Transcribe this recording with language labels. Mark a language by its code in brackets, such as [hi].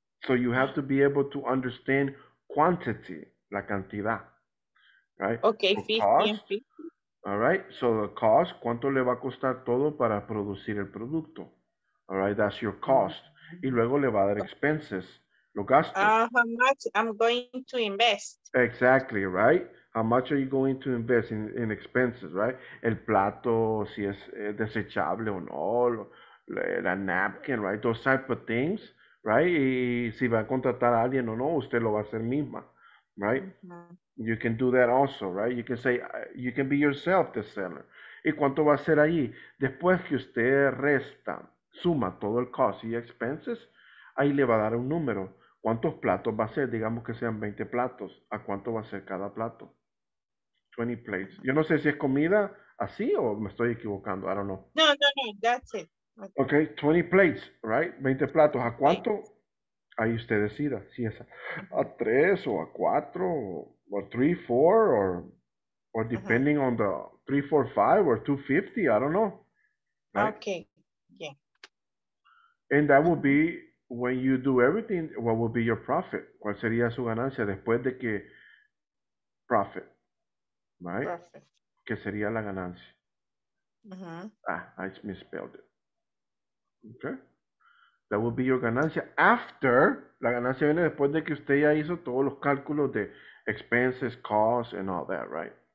[en] So you have to be able to understand quantity, [es] la cantidad. [en] Right? Okay, the 50 cost, and 50. All right, so the cost, [es] ¿cuánto le va a costar todo para producir el producto? [en] All right, that's your cost. Mm-hmm. [es] Y luego le va a dar expenses, los gastos. [en] How much I'm going to invest. Exactly, right? How much are you going to invest in expenses, right? [es] El plato, si es desechable o no, la napkin, right? [en] Those type of things, right? [es] Y si va a contratar a alguien o no, usted lo va a hacer misma, right? [en] Mm-hmm. You can do that also, right? You can say, you can be yourself the seller. [es] ¿Y cuánto va a ser ahí? Después que usted resta, suma todo el cost y expenses, ahí le va a dar un número. ¿Cuántos platos va a ser? Digamos que sean 20 platos. ¿A cuánto va a ser cada plato? [en] 20 plates. [es] Yo no sé si es comida así o me estoy equivocando. [en] I don't know. No, that's it. Okay, 20 plates, right? [es] 20 platos. ¿A cuánto? Ahí usted decida. Si es a 3 o a 4 [en] or 3-4, or depending uh-huh. on the 3-4-5 or 2-50, I don't know. Right? Okay, yeah. And that will be, when you do everything, what will be your profit? [es] ¿Cuál sería su ganancia después de que profit? [en] Right? Profit. [es] ¿Qué sería la ganancia? Uh-huh. [en] I misspelled it. Okay. That will be your ganancia after, [es] la ganancia viene después de que usted ya hizo todos los cálculos de [en] expenses, costs, and all that, right?